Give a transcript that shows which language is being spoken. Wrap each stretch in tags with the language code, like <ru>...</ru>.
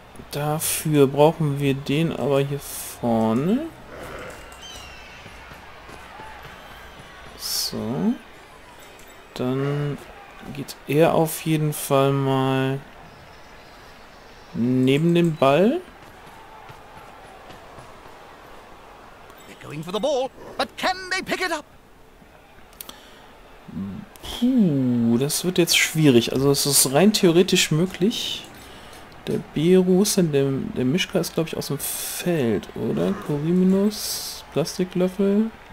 <de>Dafür brauchen wir den aber hier vorne. So. Dann geht er auf jeden Fall mal neben dem Ball.</de> <en>They're going for the ball, but can they pick it up?</en> <de>Puh, das wird jetzt schwierig. Also es ist rein theoretisch möglich. Der Beru ist in dem, der Mischka ist glaube ich aus dem Feld, oder? Koriminus, Plastiklöffel.</de>